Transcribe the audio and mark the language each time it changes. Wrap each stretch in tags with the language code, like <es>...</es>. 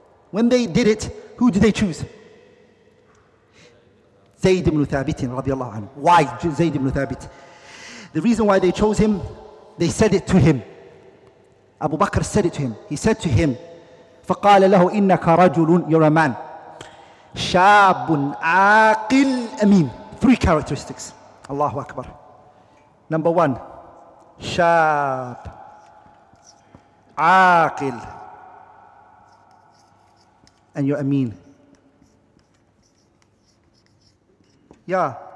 <en>When they did it, who did they choose? Zayd ibn Thabit radiallahu anhu. Why Zayd ibn Thabit? The reason why they chose him, they said it to him. Abu Bakr said it to him. He said to him,</en> <ar>فَقَالَ لَهُ إِنَّكَ رَجُلٌ</ar> <en>You're a man.</en> <ar>شَابٌ عَاقِلْ أَمِين</ar> <en>Three characteristics.</en> <ar>Allahu Akbar.</ar> <en>Number one,</en> <ar>شَاب عَاقِلْ</ar> <en>And you're Amin. Yeah.</en>